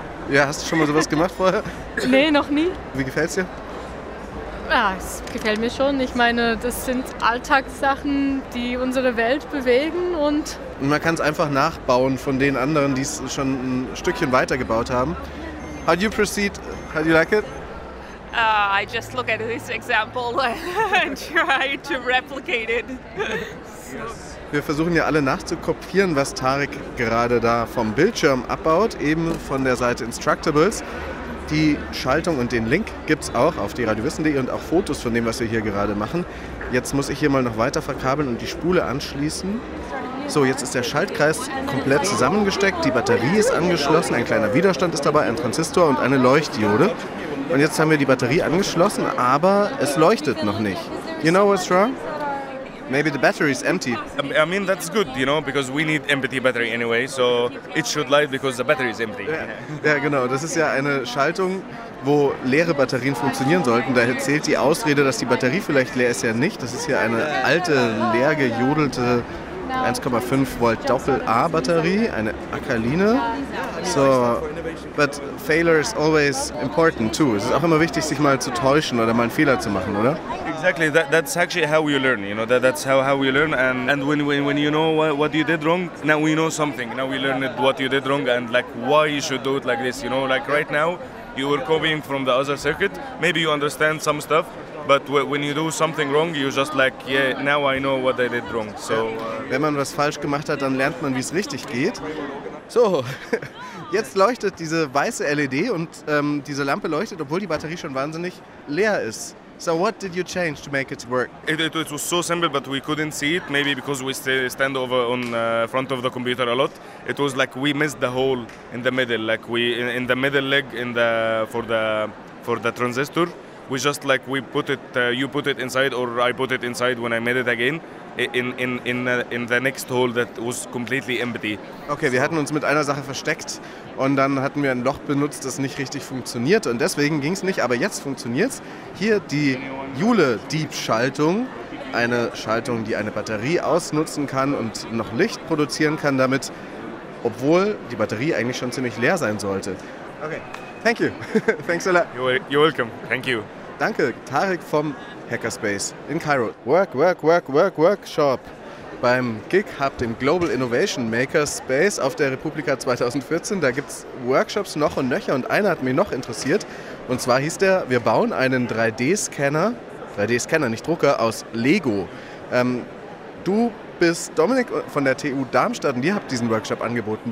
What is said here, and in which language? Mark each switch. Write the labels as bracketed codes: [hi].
[de] Ja, hast du schon mal sowas gemacht vorher? Nee, noch nie. Wie gefällt es dir? Ja, es gefällt mir schon. Ich meine, das sind Alltagssachen, die unsere Welt bewegen, und... Man kann es einfach nachbauen von den anderen, die es schon ein Stückchen weiter gebaut haben. [en] How do you proceed? How do you like it? I just look at this example and try to replicate it. [de] Wir versuchen ja alle nachzukopieren, was Tarek gerade da vom Bildschirm abbaut, eben von der Seite Instructables. Die Schaltung und den Link gibt es auch auf deradiowissen.de und auch Fotos von dem, was wir hier gerade machen. Jetzt muss ich hier mal noch weiter verkabeln und die Spule anschließen. So, jetzt ist der Schaltkreis komplett zusammengesteckt, die Batterie ist angeschlossen, ein kleiner Widerstand ist dabei, ein Transistor und eine Leuchtdiode. Und jetzt haben wir die Batterie angeschlossen, aber es leuchtet noch nicht. [en] You know what's wrong? Maybe the battery is empty. I mean, that's good, you know, because we need empty battery anyway, so it should light because the battery is empty. [de] Ja, genau, das ist ja eine Schaltung, wo leere Batterien funktionieren sollten. Da zählt die Ausrede, dass die Batterie vielleicht leer ist, ja nicht. Das ist hier eine alte, leer gejodelte 1,5 Volt Doppel-A-Batterie, eine Akaline. So, but failure is always important too. Es ist auch immer wichtig, sich mal zu täuschen oder mal einen Fehler zu machen, oder? [en] Exactly. That's actually how you learn. You know, that's how you learn. And when you know what you did wrong, now we know something. Now we learned what you did wrong and like why you should do it like this. You know, like right now, you were copying from the other circuit. Maybe you understand some stuff. But when you do something wrong, you just like, yeah, now I know what I did wrong. So, [de] wenn man was falsch gemacht hat, dann lernt man, wie es richtig geht. So, jetzt leuchtet diese weiße LED und diese Lampe leuchtet, obwohl die Batterie schon wahnsinnig leer ist. [en] So, what did you change to make it work? It was so simple, but we couldn't see it. Maybe because we stand over on front of the computer a lot. It was like we missed the hole in the middle, like we in the middle leg in the for the transistor. We just like we put it, you put it inside, or I put it inside when I made it again, in the next hole that was completely empty. [de] Okay, wir hatten uns mit einer Sache versteckt und dann hatten wir ein Loch benutzt, das nicht richtig funktioniert und deswegen ging es nicht. Aber jetzt funktioniert's. Hier die Joule-Deep-Schaltung, eine Schaltung, die eine Batterie ausnutzen kann und noch Licht produzieren kann, damit, obwohl die Batterie eigentlich schon ziemlich leer sein sollte. Okay. [en] Thank you. Thanks a lot. You're welcome. Thank you. [de] Danke. Tarek vom Hackerspace in Cairo. [en] Work, work, work, work, workshop. [de] Beim GIG Hub, dem Global Innovation Makerspace auf der Republika 2014, da gibt es Workshops noch und nöcher und einer hat mich noch interessiert. Und zwar hieß der, wir bauen einen 3D-Scanner, nicht Drucker, aus Lego. Du bist Dominik von der TU Darmstadt und ihr habt diesen Workshop angeboten.